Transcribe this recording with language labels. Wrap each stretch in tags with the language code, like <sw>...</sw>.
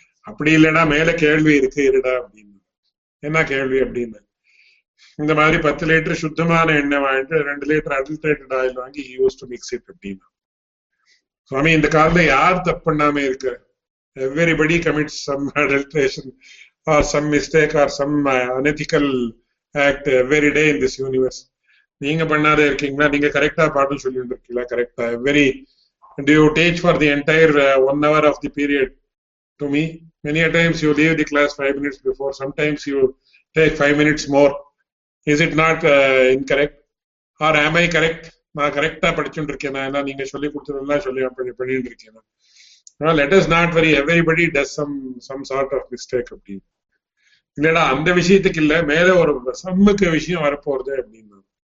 <ta>அப்படி இல்லைனா மேல கேள்வி இருக்கு இருடா அப்படின்னு. என்ன கேள்வி அப்படின்னு, இந்த மாதிரி 10 லிட்டர் சுத்தமான எண்ணெய் வாங்கிட்டு 2 லிட்டர் அடல்ட்ரேட்டட் ஆயில் வாங்கி</ta> <en>use to mix it</en> <ta>அப்படின்னா, சுவாமி இந்த காலத்துல யார் தப்பு பண்ணாம இருக்க,</ta> <en>Everybody commit some adulteration or some mistake or some unethical act every day in this universe.</en> <ta>நீங்க பண்ணாதே இருக்கீங்களா, நீங்க கரெக்டா பாடம் சொல்லிட்டு இருக்கீங்களா, கரெக்டா</ta> <en>Every do you teach for the entire 1 hour of the period to me. Many a times you leave the class 5 minutes before, sometimes you take 5 minutes more. Is it not incorrect? Or am I correct?</en> <ta>நான் கரெக்டா படிச்சுட்டுருக்கேனா, என்ன நீங்க சொல்லி கொடுத்ததெல்லாம் சொல்லி பண்ணிட்டு இருக்கேனா.</ta> <en>Let us not worry, everybody does some sort of mistake அப்படின்னு.</en> <ta>இல்லைடா அந்த விஷயத்துக்கு இல்லை, மேலே ஒரு சம்முக்கு விஷயம் வரப்போறது அப்படின்னு.</ta>